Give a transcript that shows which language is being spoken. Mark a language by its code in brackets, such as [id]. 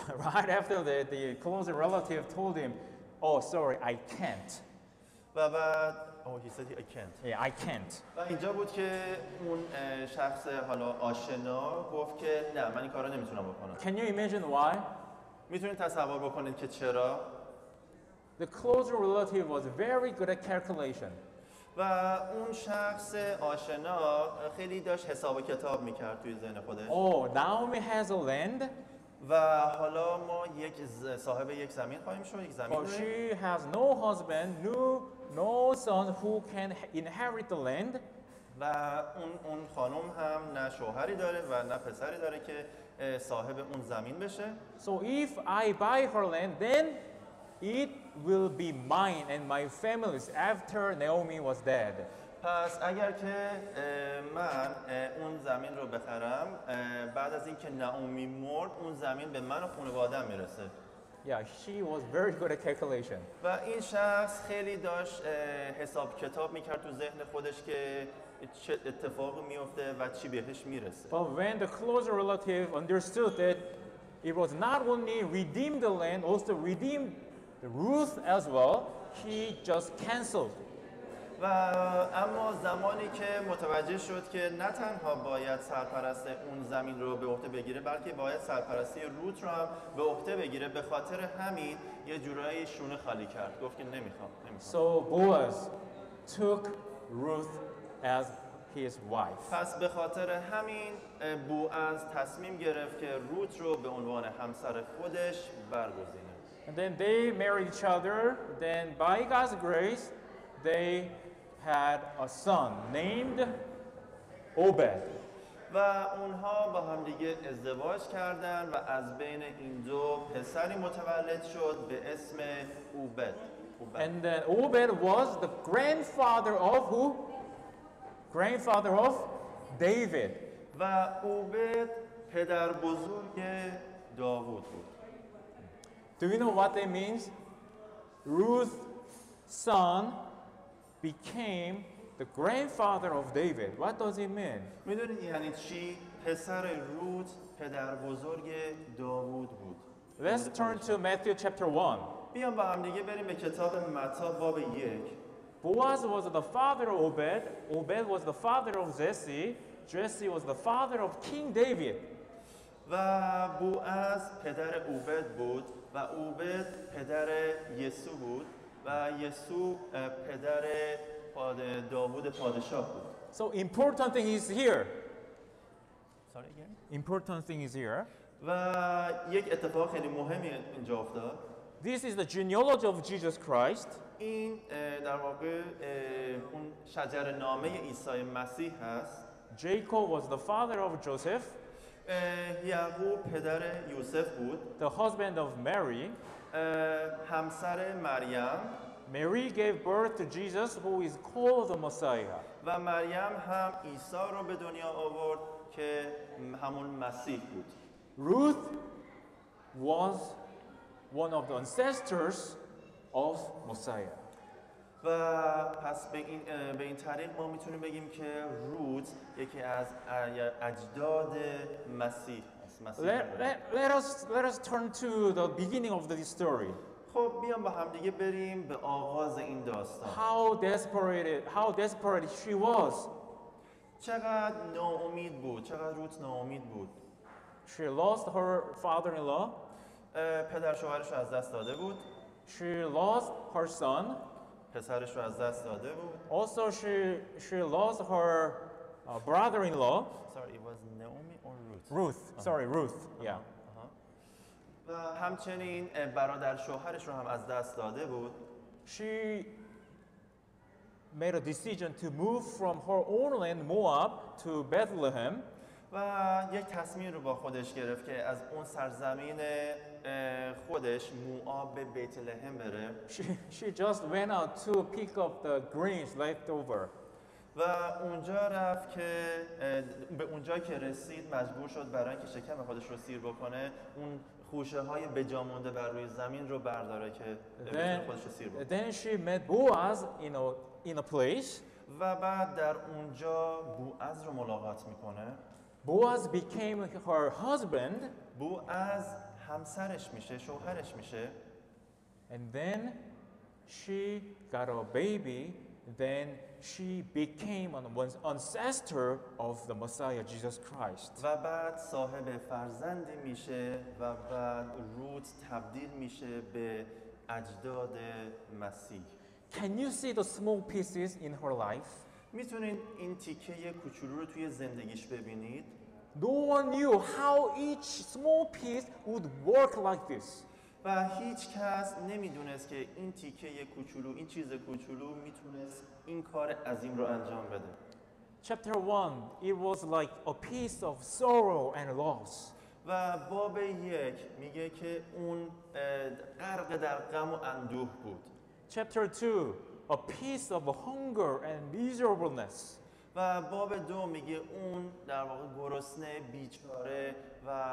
[en] Right after that, the close relative told him, oh sorry, I can't. [fa] و بعد [en] he said I can't. Yeah, I can't. [fa] و اینجا بود که اون شخص حالا آشنا گفت که نه، من این کارو نمیتونم بکنم. [en] Can you imagine why? [fa] میتونید تصور بکنید که چرا؟ [en] The close relative was very good at calculation. [fa] و اون شخص آشنا خیلی داشت حساب و کتاب میکرد توی ذهن خودش. [en] Naomi has a land. [fa] و حالا ما یک صاحب یک زمین خواهیم شد، یک زمین. [en] She has no husband, no son who can inherit the land. [fa] و اون خانم هم نه شوهری داره و نه پسری داره که صاحب اون زمین بشه. [en] So if I buy her land, then it will be mine and my family's after Naomi was dead. [fa] پس اگر که من اون زمین رو بخرم بعد از اینکه نائومی مرد اون زمین به من و خانواده‌ام میرسه. [en] Yeah, she was very good at calculation. [fa] و این شخص خیلی داشت حساب کتاب میکرد تو ذهن خودش که چه اتفاقی میفته و چی بهش میرسه. [en] But when the closer relative understood that it was not only redeem the land, also redeem the Ruth as well, he just canceled. [fa] و اما زمانی که متوجه شد که نه تنها باید سرپرست اون زمین رو به عهده بگیره بلکه باید سرپرستی روت رو هم به عهده بگیره، به خاطر همین یه جورایی شونه خالی کرد، گفت که نمیخوام. [en] So Boaz took Ruth as his wife. [fa] پس به خاطر همین بوآز تصمیم گرفت که روت رو به عنوان همسر خودش برگزینه. [en] And then they married each other, then by God's grace they had a son named Obed. [fa] و اونها با هم دیگه ازدواج کردن و از بین این دو پسری متولد شد به اسم Obed. [en] And then Obed was the grandfather of who? Grandfather of David. [fa] و Obed پدر بزرگ داوود بود. [en] Do you know what that means? Ruth's son became the grandfather of David. What does it mean? [fa] میدونید یعنی چی؟ پسر روت پدر بزرگ داوود بود. [en] Let's turn to Matthew chapter 1. [fa] بیام با هم دیگه بریم به کتاب متا باب 1. [en] Boaz was the father of Obed. Obed was the father of Jesse. Jesse was the father of King David. [fa] و بوآز پدر اوبد بود و اوبد پدر یسوع بود و یسوع پدر داوود پادشاه بود. [en] So important thing is here. Sorry again. Important thing is here. [fa] و یک اتفاق خیلی مهمی اینجا افتاد. [en] This is the genealogy of Jesus Christ. [fa] این در واقع اون شجره نامه عیسی مسیح هست. [en] Jacob was the father of Joseph. [fa] یعقوب پدر یوسف بود. [en] The husband of Mary. [fa] همسر مریم. [en] Mary gave birth to Jesus, who is called the Messiah. [fa] و مریم هم عیسی رو به دنیا آورد که همون مسیح بود. [en] Ruth was one of the ancestors of Messiah. [fa] و پس به این طریق ما میتونیم بگیم که روت یکی از اجداد مسیح است. [en] Let us turn to the beginning of this story. [fa] خب بیام با هم دیگه بریم به آغاز این داستان. [en] How desperate she was. [fa] چقدر ناامید بود. چقدر روت ناامید بود. [en] She lost her father-in-law. [fa] پدر شوهرش رو از دست داده بود. [en] She lost her son. [fa] پسرش رو از دست داده بود. [en] Also she lost her brother-in-law. Sorry, it was Naomi or Ruth? Ruth. Uh-huh. Sorry, Ruth. Uh-huh. Yeah. [fa] و همچنین برادر شوهرش رو هم از دست داده بود. [en] She made a decision to move from her own land Moab to Bethlehem. [fa] و یک تصمیم رو با خودش گرفت که از اون سرزمین خودش موآب به بیت لحم بره. [en] She just went out to pick up the grains left over. [fa] و اونجا رفت که به اونجا که رسید مجبور شد برای اینکه شکم خودش رو سیر بکنه اون خوشه های به جا مونده بر روی زمین رو برداره که بتونه خودش رو سیر بکنه. [en] Then she met Boaz in a place. [fa] و بعد در اونجا بوآز رو ملاقات میکنه. [en] Boaz became her husband. [fa] بوآز همسرش میشه، شوهرش میشه. [en] And then she got a baby. Then she became an ancestor of the Messiah, Jesus Christ. [fa] و بعد صاحب فرزندی میشه و بعد روت تبدیل میشه به اجداد مسیح. [en] Can you see the small pieces in her life? [fa] میتونین این تیکه کوچولو رو توی زندگیش ببینید؟ [en] No one knew how each small piece would work like this. [fa] و هیچ کس نمیدونست که این تیکه کوچولو، این چیز کوچولو میتونست این کار عظیم رو انجام بده. [en] Chapter 1, it was like a piece of sorrow and loss. [fa] و باب یک میگه که اون غرق در غم و اندوه بود. [en] Chapter 2, a piece of hunger and miserableness. [fa] و باب دو میگه اون در واقع گرسنه بیچاره و